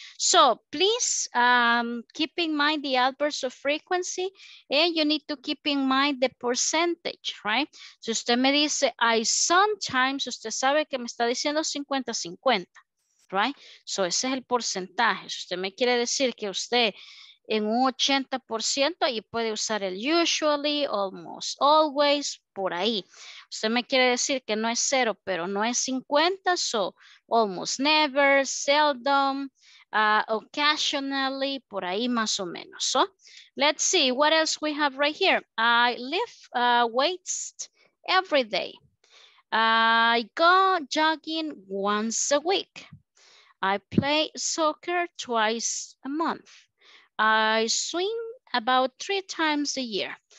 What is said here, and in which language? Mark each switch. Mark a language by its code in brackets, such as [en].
[en] So please keep in mind the adverbs of frequency and you need to keep in mind the percentage, right? [es] Si usted me dice [en] I sometimes, [es] usted sabe que me está diciendo 50-50, right? So ese es el porcentaje. Si usted me quiere decir que usted en un 80%, ahí puede usar el usually, [en] almost always, [es] por ahí. Usted me quiere decir que no es cero, pero no es 50, so [en] almost never, seldom, occasionally, [es] por ahí más o menos. [en] So let's see what else we have right here. I lift weights every day. I go jogging once a week. I play soccer twice a month. I swim about 3 times a year.